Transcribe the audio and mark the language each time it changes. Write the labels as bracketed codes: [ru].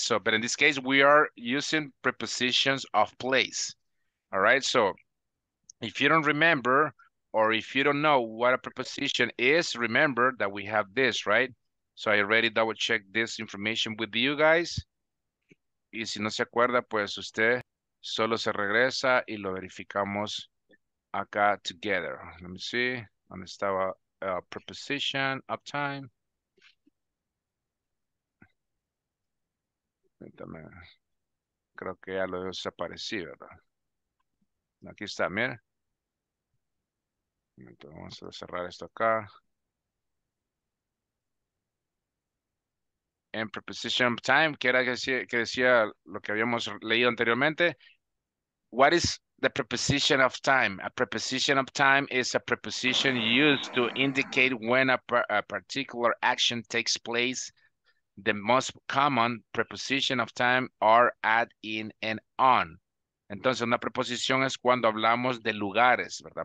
[en] So, but in this case, we are using prepositions of place, all right? So, if you don't remember or if you don't know what a preposition is, remember that we have this, right? So, I already double-checked this information with you guys. [es] Y si no se acuerda, pues usted solo se regresa y lo verificamos acá [en] together. Let me see. [es] ¿Dónde estaba? [en] Preposition of time. [es] Cuéntame. Creo que ya lo desaparecí, ¿verdad? Aquí está, mira. Entonces vamos a cerrar esto acá. En preposition of time, ¿qué era que decía lo que habíamos leído anteriormente? [en] What is the preposition of time? A preposition of time is a preposition used to indicate when a particular action takes place. The most common preposition of time are at, in, and on. [es] Entonces, una preposición es cuando hablamos de lugares, ¿verdad?